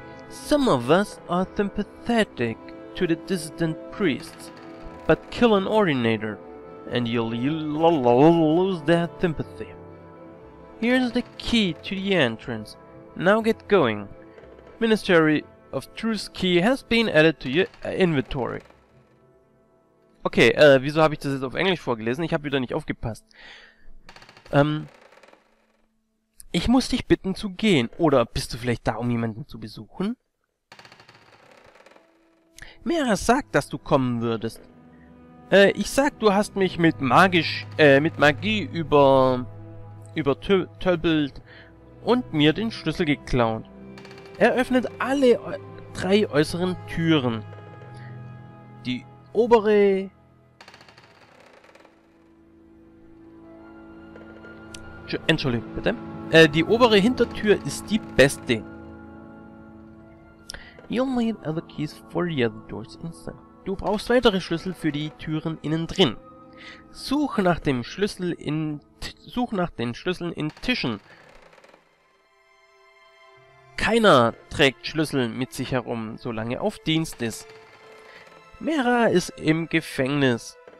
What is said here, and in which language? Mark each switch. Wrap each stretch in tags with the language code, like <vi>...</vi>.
<en>Some of us are sympathetic to the dissident priests, but kill an ordinator, and you'll lose their sympathy. Here's the key to the entrance. Now get going. Ministry of Truth key has been added to your inventory.</en> <de>Okay, wieso habe ich das jetzt auf Englisch vorgelesen? Ich habe wieder nicht aufgepasst. Ich muss dich bitten zu gehen. Oder bist du vielleicht da, um jemanden zu besuchen? Mira sagt, dass du kommen würdest. Ich sag, du hast mich mit Magie übertölpelt und mir den Schlüssel geklaut. Er öffnet alle drei äußeren Türen. Die obere... Entschuldigung, bitte. Die obere Hintertür ist die beste.</de> <en>You'll need other keys for the other doors inside.</en> <de>Du brauchst weitere Schlüssel für die Türen innen drin. Such nach den Schlüsseln in Tischen. Keiner trägt Schlüssel mit sich herum, solange er auf Dienst ist. Mira ist im Gefängnis.</de>